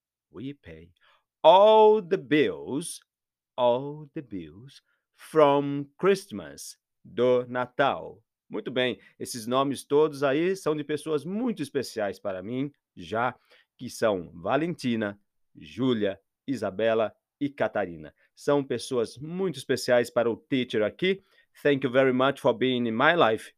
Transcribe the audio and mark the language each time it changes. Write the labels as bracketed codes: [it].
[en] We pay all the bills from Christmas, [pt] do Natal. Muito bem, esses nomes todos aí são de pessoas muito especiais para mim, já que são Valentina, Júlia, Isabela e Catarina. São pessoas muito especiais para o teacher aqui. [en] Thank you very much for being in my life.